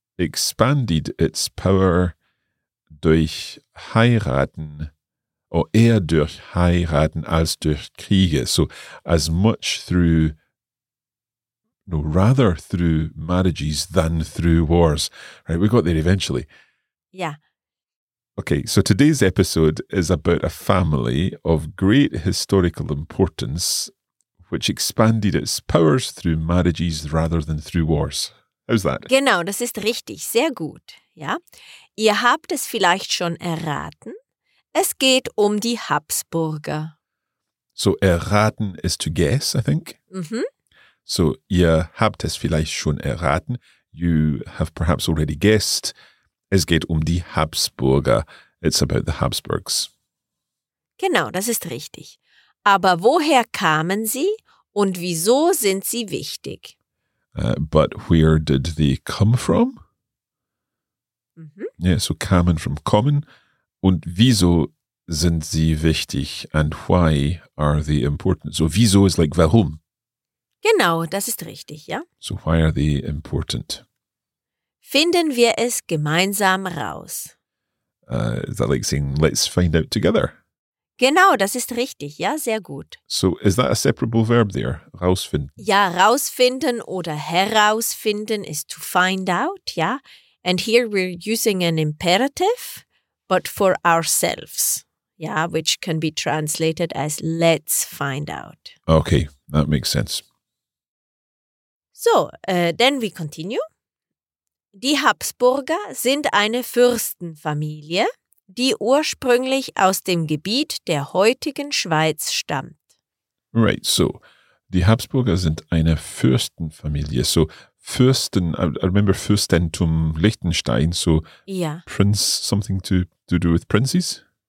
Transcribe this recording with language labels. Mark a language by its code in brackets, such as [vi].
[en] expanded its power [de] durch Heiraten, eher durch Heiraten als durch Kriege. [en] So, as much through, no, rather through marriages than through wars. Right, we got there eventually. Yeah. Okay, so today's episode is about a family of great historical importance which expanded its powers through marriages rather than through wars. How's that? [de] Genau, das ist richtig. Sehr gut. Ja? Ihr habt es vielleicht schon erraten. Es geht um die Habsburger. [en] So, erraten is to guess, I think. Mm-hmm. [de] So, ihr habt es vielleicht schon erraten. [en] You have perhaps already guessed. [de] Es geht um die Habsburger. [en] It's about the Habsburgs. [de] Genau, das ist richtig. Aber woher kamen sie und wieso sind sie wichtig? [en] But where did they come from? Mm-hmm. Yeah, so kamen from kommen. [de] Und wieso sind sie wichtig? [en] And why are they important? So wieso is like warum? [de] Genau, das ist richtig, ja. [en] So why are they important? [de] Finden wir es gemeinsam raus. [en] Is that like saying let's find out together? [de] Genau, das ist richtig. Ja, sehr gut. [en] So, is that a separable verb there? [de] Rausfinden? Ja, rausfinden oder herausfinden [en] is to find out, [de] ja. [en] And here we're using an imperative, but for ourselves, ja, which can be translated as let's find out. Okay, that makes sense. So, then we continue. [de] Die Habsburger sind eine Fürstenfamilie, die ursprünglich aus dem Gebiet der heutigen Schweiz stammt. [en] Right, so, [de] die Habsburger sind eine Fürstenfamilie. [en] So, Fürsten, I remember Fürstentum Liechtenstein, so, [de] ja. [en] Prince, something to do with princes?